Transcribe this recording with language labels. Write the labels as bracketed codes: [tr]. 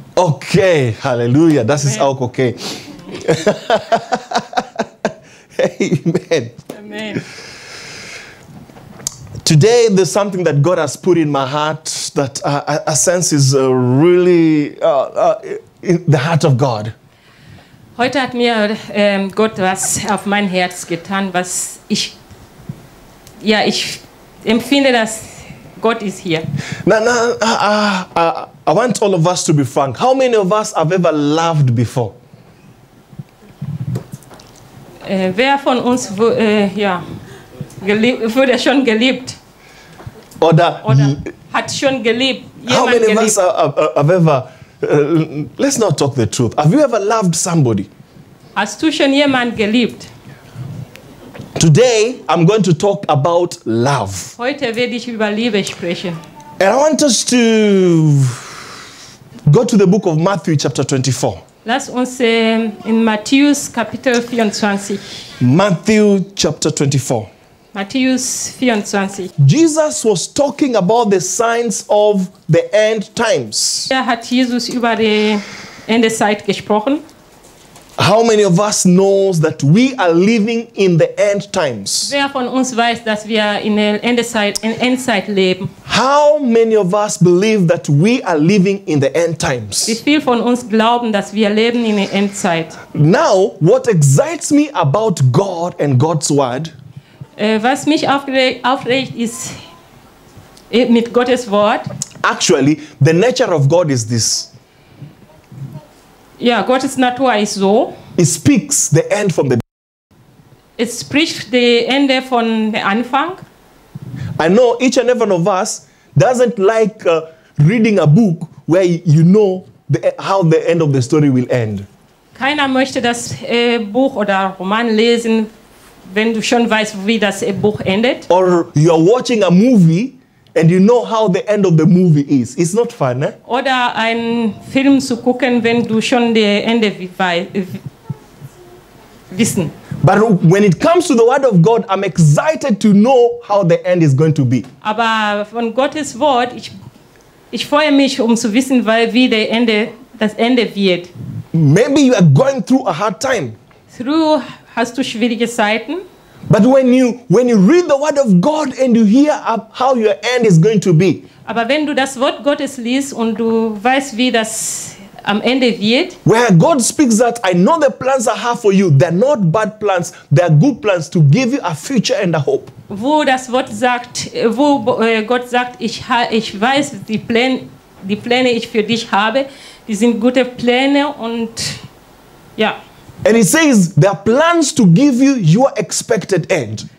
[de] Okay, hallelujah, das ist auch okay. Amen. Amen. [en] Today, there's something that God has put in my heart that I sense is really in the heart of God. [de] Heute hat mir Gott was auf mein Herz getan, was ich, ja, ich empfinde, dass Gott ist hier. [en] I want all of us to be frank. How many of us have ever loved before? [de] Wer von uns wurde schon geliebt? Oder hat schon geliebt? [en] How many [de] geliebt? [en] Of us have ever, let's not talk the truth. Have you ever loved somebody? [de] Hast du schon jemand geliebt? [en] Today, I'm going to talk about love. [de] Heute werde ich über Liebe sprechen. [en] And I want us to go to the book of Matthew chapter 24. [de] Lass uns in Matthäus Kapitel 24. [en] Matthew chapter 24. [de] Matthäus 24. [en] Jesus was talking about the signs of the end times. [de] Er hat Jesus über die Endzeit gesprochen. [en] How many of us knows that we are living in the end times? [de] Wer von uns weiß, dass wir in der Endzeit leben? [en] How many of us believe that we are living in the end times? [de] Wie viel von uns glauben, dass wir leben in der Endzeit? [en] Now, what excites me about God and God's word? [de] Was mich aufregt ist mit Gottes Wort. [en] Actually, the nature of God is this. [de] Ja, Gottes Natur ist so. [en] It speaks the end from the beginning. [de] Es spricht die Ende von Anfang. [en] I know each and every one of us doesn't like reading a book where you know how the end of the story will end. [de] Keiner möchte das Buch oder Roman lesen, wenn du schon weißt, wie das Buch endet. [en] Or you are watching a movie and you know how the end of the movie is. It's not fun, eh? [de] Oder einen Film zu gucken, wenn du schon die Ende wissen. [en] But when it comes to the word of God, I'm excited to know how the end is going to be. [de] Aber von Gottes Wort, ich freue mich, zu wissen, weil wie der Ende, das Ende wird. [en] Maybe you are going through a hard time. [de] Through hast du schwierige Zeiten. [en] But when you read the word of God and you hear how your end is going to be. [de] Aber wenn du das Wort Gottes liest und du weißt, wie das am Ende wird. [en] Where God speaks that, I know the plans I have for you. They're not bad plans. They're good plans to give you a future and a hope. [de] Wo das Wort sagt, wo Gott sagt, ich weiß die Pläne, ich für dich habe, die sind gute Pläne und ja. [en] And he says, there are plans to give you your expected end.